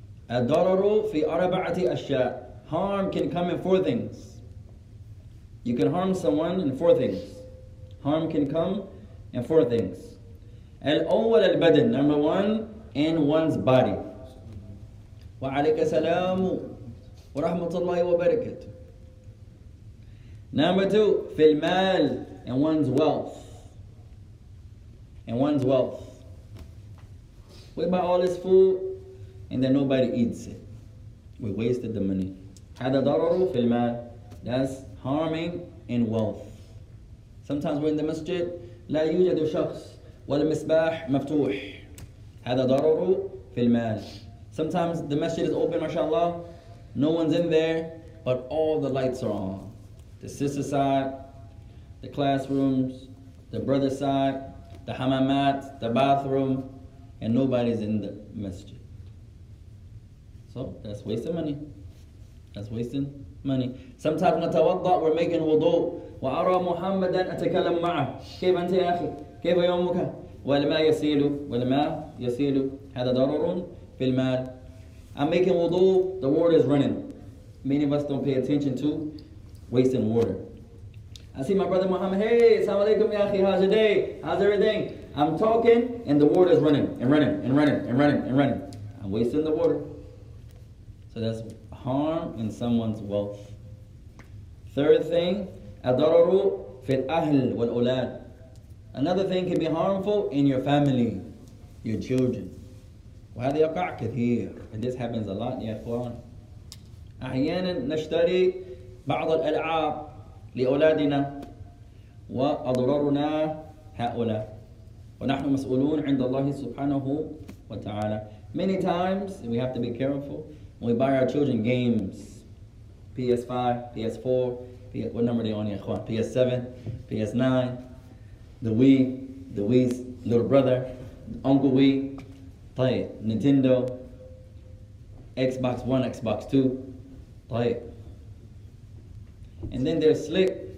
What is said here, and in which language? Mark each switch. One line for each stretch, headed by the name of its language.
Arabic: الضرر في أربعة أشياء,
English: harm can come in four things. You can harm someone in four things. Harm can come in four things.
Arabic: الأول البدن,
English: number one, in one's body.
Arabic: وعليك السلام ورحمة الله وبركاته.
English: Number two,
Arabic: في المال,
English: in one's wealth. In one's wealth. We buy all this food and then nobody eats it. We wasted the money.
Arabic: هذا ضرر في المال.
English: That's harming in wealth. Sometimes we're in the masjid,
Arabic: لا يوجد شخص والمصباح مفتوح. هذا ضرر في المال.
English: Sometimes the masjid is open, mashallah, no one's in there, but all the lights are on. The sister side, the classrooms, the brother side, the hamamat, the bathroom, and nobody's in the masjid. So that's wasting money. That's wasting money. Sometimes نتوضع, we're making wudu.
Arabic: وأرى محمدا أتكلم معه. كيف أنت يا أخي؟ كيف يومك؟ والماء يسيل, والماء يسيل. هذا ضرر في المال.
English: I'm making wudu, the water is running. Many of us don't pay attention to wasting water. I see my brother Muhammad, hey, assalamu alaikum ya akhi, how's your day? How's everything? I'm talking and the water is running and running and running and running and running. I'm wasting the water. So that's harm in someone's wealth. Third thing,
Arabic: adararu fil ahl wal ulad.
English: Another thing can be harmful in your family, your children.
Arabic: وهذا يقع كثير.
English: And this happens a lot, يا إخوان.
Arabic: أحيانا نشتري بعض الألعاب لأولادنا وأضررنا هؤلاء ونحن مسؤولون عند الله سبحانه وتعالى.
English: Many times we have to be careful. We buy our children games, PS5, PS4, what number are they on, يا إخوان? PS7, PS9, the Wii's little brother, Uncle Wii, طيب, Nintendo, Xbox One, Xbox Two, طيب. And then they're slick.